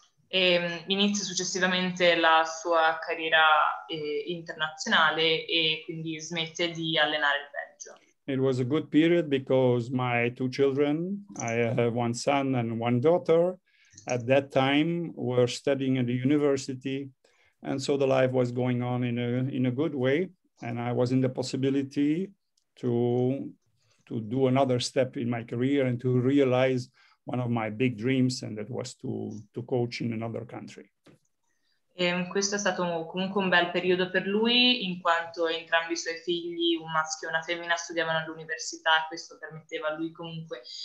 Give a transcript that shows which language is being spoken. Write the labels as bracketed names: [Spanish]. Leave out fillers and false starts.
[Italian] E inizia successivamente la sua carriera internazionale e quindi smette di allenare il Belgio. [English] It was a good period because my two children, I have one son and one daughter, at that time were studying at the university, and so the life was going on in a good way, and I was in the possibility to do another step in my career and to realize one of my big dreams, and that was to coach in another country. [Italian] Questo è stato comunque un bel periodo per lui, in quanto entrambi i suoi figli, un maschio e una femmina, studiavano all'università, e questo permetteva a lui comunque